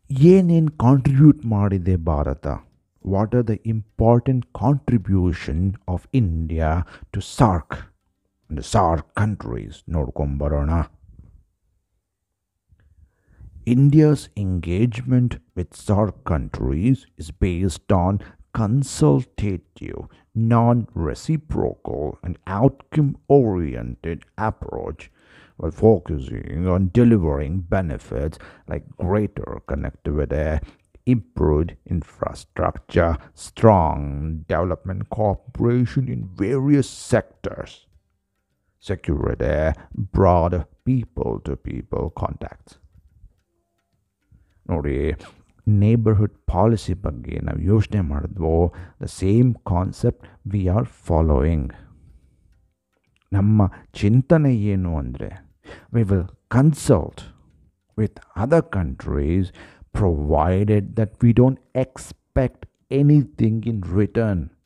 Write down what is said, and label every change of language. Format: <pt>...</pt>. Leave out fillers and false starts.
<kn>ಏನೇನು ಕಾಂಟ್ರಿಬ್ಯೂಟ್ ಮಾಡಿದೆ Bharat?</kn> <en>what are the important contribution of India to SAARC and SAARC countries</en> <kn>ನೋಡ್ಕೊಂಬರೋಣ.</kn> <en>India's engagement with SAARC countries is based on consultative, non-reciprocal and outcome-oriented approach while focusing on delivering benefits like greater connectivity, improved infrastructure, strong development cooperation in various sectors, security, broader people-to-people contacts.</en> <kn>ನೋಡಿ, neighbourhood policy ಬಗ್ಗೆ ನಾವು ಯೋಚನೆ ಮಾಡಿದ್ವು,</kn> <en>The same concept we are following.</en> <kn>ನಮ್ಮ ಚಿಂತನೆ ಏನು ಅಂದರೆ,</kn> <en>We will consult with other countries provided that we don't expect anything in return.</en>